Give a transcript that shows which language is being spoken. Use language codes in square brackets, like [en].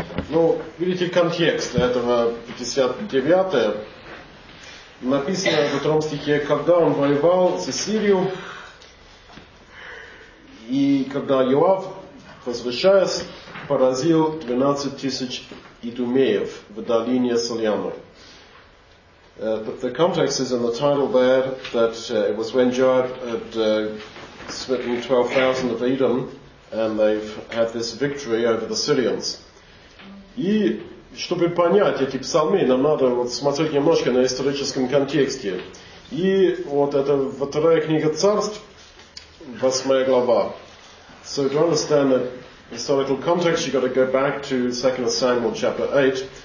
[ru] Ну, видите контекст этого 59-е. Написано в втором стихе, когда он воевал с Сирию, и когда Йоав, возвращаясь, поразил 12 тысяч идумеев в долине Сальяма. [en] The context is in the title there, that it was when Joab had smitten 12,000 of Edom, and they've had this victory over the Syrians. [ru] И чтобы понять эти псалмы, нам надо вот смотреть немножко на историческом контексте. И вот это вторая книга царств, 8 глава. [en] So to understand the historical context, you've got to go back to 2 Samuel chapter 8.